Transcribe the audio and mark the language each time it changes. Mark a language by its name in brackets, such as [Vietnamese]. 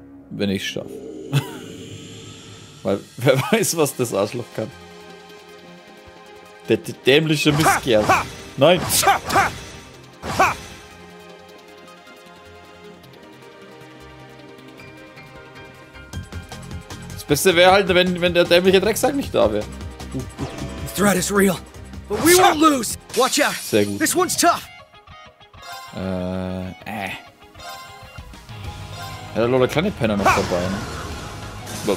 [German] Wenn ich's schaffe. Weil wer weiß, was das Arschloch kann. Der dämliche Mistkerl. Nein! Beste wäre halt, wenn der dämliche Drecksack nicht da wäre. [English] The threat is real, but we won't lose. Watch out. [German] Sehr gut. [English] This one's tough. [German] Er hat nur der kleine Penner noch dabei.